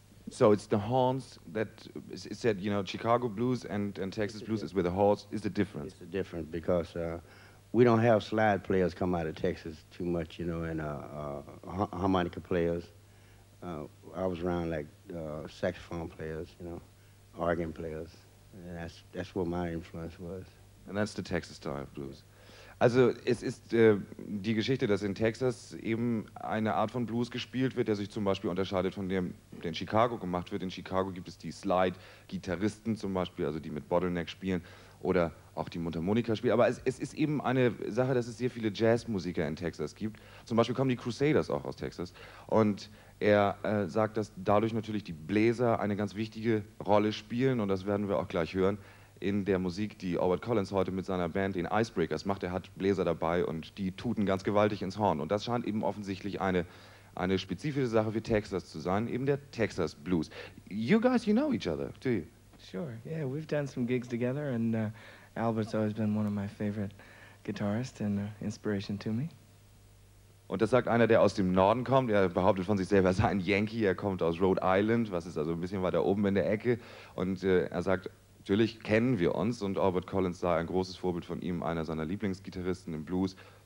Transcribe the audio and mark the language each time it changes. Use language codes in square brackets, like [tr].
[en] So it's the horns that it said, you know, Chicago blues and Texas blues is where the horns is the difference. It's the difference because we don't have slide players come out of Texas too much, you know, and harmonica players. I was around like saxophone players, you know, organ players. And that's what my influence was. And that's the Texas style of blues. [de] Also es ist die Geschichte, dass in Texas eben eine Art von Blues gespielt wird, der sich zum Beispiel unterscheidet von dem, der in Chicago gemacht wird. In Chicago gibt es die Slide-Gitarristen zum Beispiel, also die mit Bottleneck spielen oder auch die Mundharmonika spielen. Aber es ist eben eine Sache, dass es sehr viele Jazzmusiker in Texas gibt. Zum Beispiel kommen die Crusaders auch aus Texas. Und er sagt, dass dadurch natürlich die Bläser eine ganz wichtige Rolle spielen und das werden wir auch gleich hören. In der Musik, die Albert Collins heute mit seiner Band, den Icebreakers, macht. Er hat Bläser dabei und die tuten ganz gewaltig ins Horn. Und das scheint eben offensichtlich eine spezifische Sache für Texas zu sein, eben der Texas Blues. [en] You guys, you know each other, do you? Sure, yeah, we've done some gigs together and Albert's always been one of my favorite guitarists and inspiration to me. [de] Und das sagt einer, der aus dem Norden kommt. Er behauptet von sich selber, er sei ein Yankee. Er kommt aus Rhode Island, was ist also ein bisschen weiter oben in der Ecke. Und er sagt, natürlich kennen wir uns und Albert Collins sei ein großes Vorbild von ihm, einer seiner Lieblingsgitarristen im Blues.